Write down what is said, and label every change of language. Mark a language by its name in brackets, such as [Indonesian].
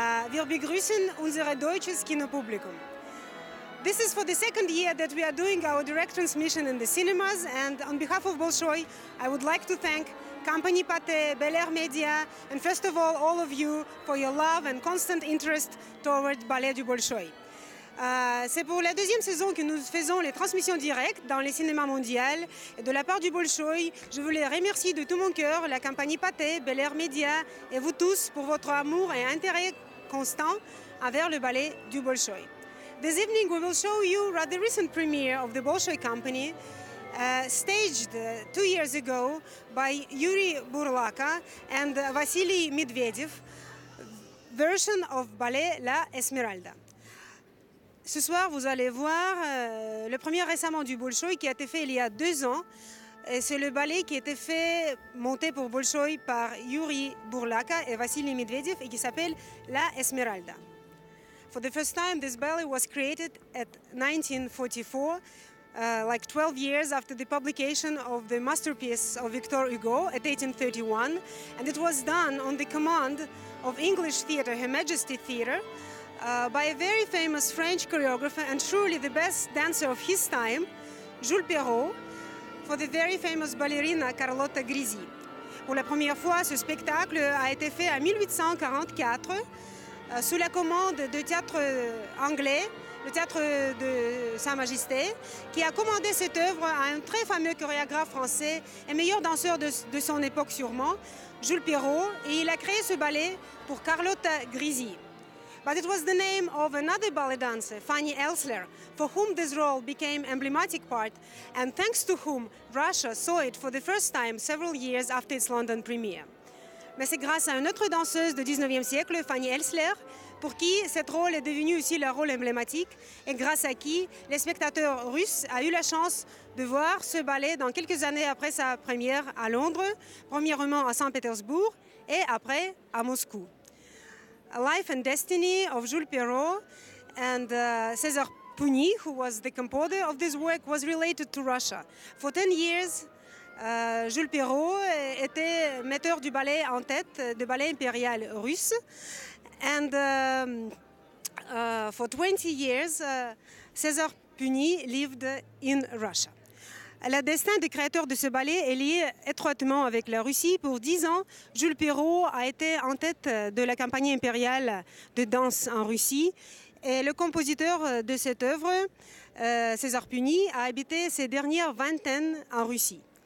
[German] Wir begrüßen unser deutsches Kinopublikum. [English] This is for the second year that we are doing our direct transmission in the cinemas, and on behalf of Bolshoi, I would like to thank Company Pathé, Bel Air Media, and first of all of you for your love and constant interest toward Ballet du Bolshoi. [French] C'est pour la deuxième saison que nous faisons les transmissions directes dans les cinémas mondiaux. Et de la part du Bolshoi, je voulais remercier de tout mon cœur la Compagnie Pathé, Bel Air Media et vous tous pour votre amour et intérêt constant envers le Ballet du Bolshoi. [English] This evening we will show you rather recent premiere of the Bolshoi Company, staged 2 years ago by Yuri Burlaka and Vasily Medvedev, version of ballet La Esmeralda. [French] Ce soir, vous allez voir le premier récemment du Bolshoi qui a été fait il y a 2 ans. Et c'est le ballet qui a été fait, monté pour Bolshoi par Yuri Burlaka et Vasily Medvedev et qui s'appelle La Esmeralda. [English] For the first time, this ballet was created at 1944, like 12 years after the publication of the masterpiece of Victor Hugo at 1831, and it was done on the command of English theatre, Her Majesty Theatre, by a very famous French choreographer and truly the best dancer of his time, Jules Perrault, for the very famous ballerina Carlotta Grisi. [French] Pour la première fois, ce spectacle a été fait en 1844 sous la commande de théâtre anglais, le Théâtre de Sa Majesté, qui a commandé cette œuvre à un très fameux chorégraphe français et meilleur danseur de son époque sûrement, Jules Perrault, et il a créé ce ballet pour Carlotta Grisi. [English] But it was the name of another ballet dancer, Fanny Elsler, for whom this role became emblematic part, and thanks to whom Russia saw it for the first time several years after its London premiere. [French] Mais c'est grâce à une autre danseuse du 19e siècle, Fanny Elsler, pour qui cette rôle est devenu aussi le rôle emblématique, et grâce à qui les spectateurs russes ont eu la chance de voir ce ballet dans quelques années après sa première à Londres, premièrement à Saint-Pétersbourg, et après à Moscou. [English] Life and Destiny of Jules Perrault and César Pugny, who was the composer of this work, was related to Russia. For 10 years, [French] Jules Perrault était metteur du ballet en tête, du ballet impérial russe. [English] And for 20 years, César Pugny lived in Russia. [French] Le destin des créateurs de ce ballet est lié étroitement avec la Russie. Pour 10 ans, Jules Perrault a été en tête de la campagne impériale de danse en Russie. Et le compositeur de cette œuvre, César Pugny, a habité ses dernières vingtaines en Russie.